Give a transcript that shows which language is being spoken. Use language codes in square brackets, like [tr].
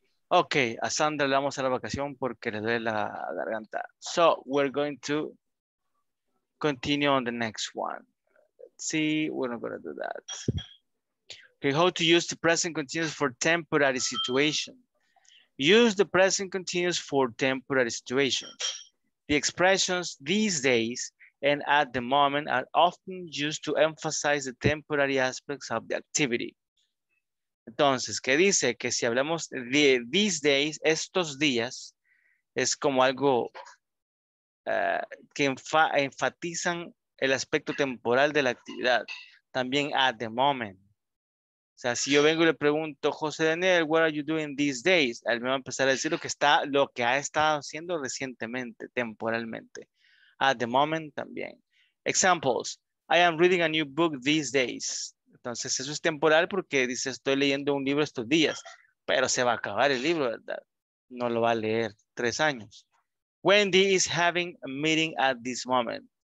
[es] Okay, a Sandra le vamos a la vacación porque le duele la garganta. [en] So, we're going to continue on the next one. Let's see, we're not gonna do that. Okay, how to use the present continuous for temporary situation. Use the present continuous for temporary situations. The expressions these days and at the moment are often used to emphasize the temporary aspects of the activity. [es] Entonces, ¿qué dice? Que si hablamos de these days, estos días, es como algo que enfatizan el aspecto temporal de la actividad. También at the moment. O sea, si yo vengo y le pregunto, José Daniel, [en] what are you doing these days? [es] Él me va a empezar a decir lo que está, lo que ha estado haciendo recientemente, temporalmente. [en] At the moment también. Examples. I am reading a new book these days. [es] Entonces, eso es temporal porque dice, estoy leyendo un libro estos días. Pero se va a acabar el libro, ¿verdad? No lo va a leer 3 años. [en] Wendy is having a meeting at this moment.